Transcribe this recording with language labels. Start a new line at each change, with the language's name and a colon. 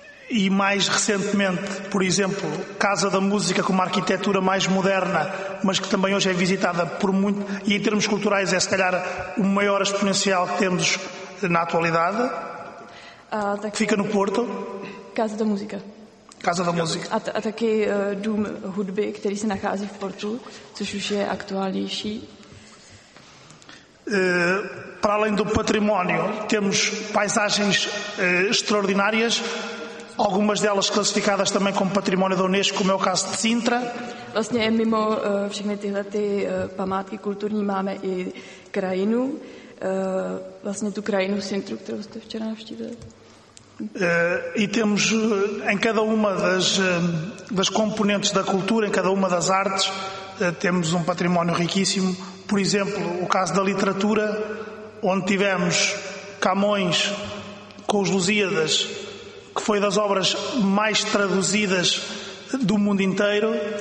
Portuguese: E mais recentemente, por exemplo, Casa da Música, com uma arquitetura mais moderna, mas que também hoje é visitada por muito, e em termos culturais é se calhar o maior exponencial que temos na atualidade, Que fica no Porto. Casa da Música. Casa da Música.
Czech: A taky dům hudby, který se nachází v Portu, což už je aktuálnější.
Portuguese: Para além do património, temos paisagens extraordinárias, algumas delas classificadas também como património da UNESCO, como é o caso de Sintra.
Czech: Vlastně mimo všechny tyhle ty památky kulturní máme i krajinu, vlastně tu krajinu Sintru, kterou jste včera navštívili.
Portuguese: E temos em cada uma das componentes da cultura, em cada uma das artes, temos património riquíssimo. Por exemplo, o caso da literatura, onde tivemos Camões com os Lusíadas, que foi das obras mais traduzidas do mundo inteiro.